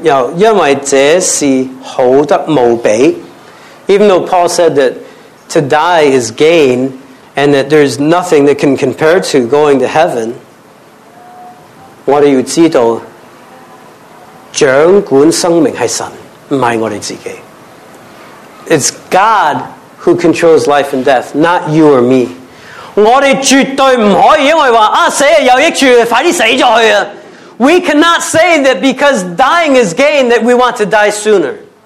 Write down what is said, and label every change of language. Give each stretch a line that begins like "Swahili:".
Chinese: 我想强调一点，虽然保罗说死有益处，是离开，因为这是好得无比。
English: Even though Paul said that to die is gain and that there is nothing that can compare to going to heaven,
Chinese: 我们要知道掌管生命是神，不是我们自己。
English: It's God who controls life and death, not you or me.
Chinese: 我们绝对不可以因为说死是有益处，快点死了去。
English: We cannot say that because dying is gain that we want to die sooner.